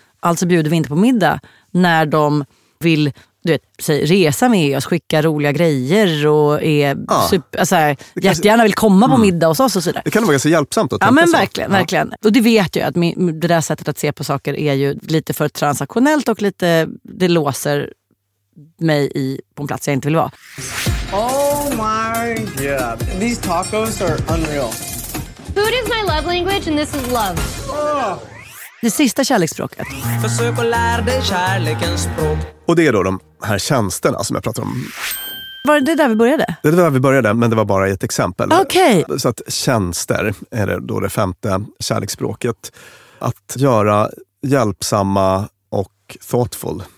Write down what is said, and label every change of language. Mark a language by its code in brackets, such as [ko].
[sv] Alltså bjuder vi inte på middag när de vill... du vet, säg, resa med oss, skicka roliga grejer och är super, alltså, jättegärna vill komma på middag hos oss och så vidare. Det kan vara så hjälpsamt att tänka så. Verkligen. Och det vet jag att det där sättet att se på saker är ju lite för transaktionellt och lite, det låser mig i på en plats jag inte vill vara. [en] Oh my god. These tacos are unreal. Food is my love language and this is love. Oh. [sv] Det sista kärleksspråket. Försök att lära dig kärlekens språk. Och det är då de här tjänsterna som jag pratar om. Var det där vi började? Det var där vi började, men det var bara ett exempel. Okej. Okay. Så att tjänster är det då det femte kärleksspråket. Att göra hjälpsamma och thoughtful.